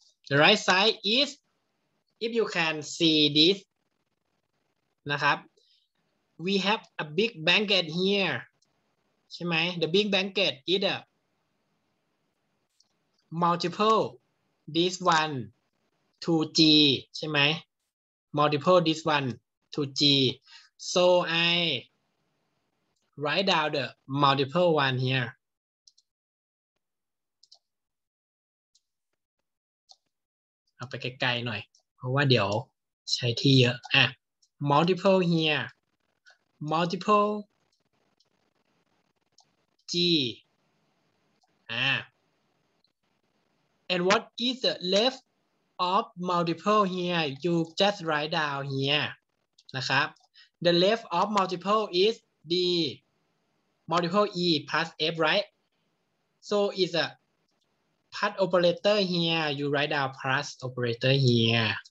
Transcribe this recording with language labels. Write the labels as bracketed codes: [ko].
[en] the right side is if you can see this นะครับWe have a big blanket here, ใช่ไหม The big blanket is a multiple this one to G, ใช่ไหม Multiple this one to G. So I write down the multiple one here. [th] เอาไปไกลๆหน่อยเพราะว่าเดี๋ยวใช้ที่เยอะ [en] Multiple here. multiple g and what is the left of multiple here you just write down here นะครับ the left of multiple is d multiple e plus f right so is a plus operator here you write down plus operator here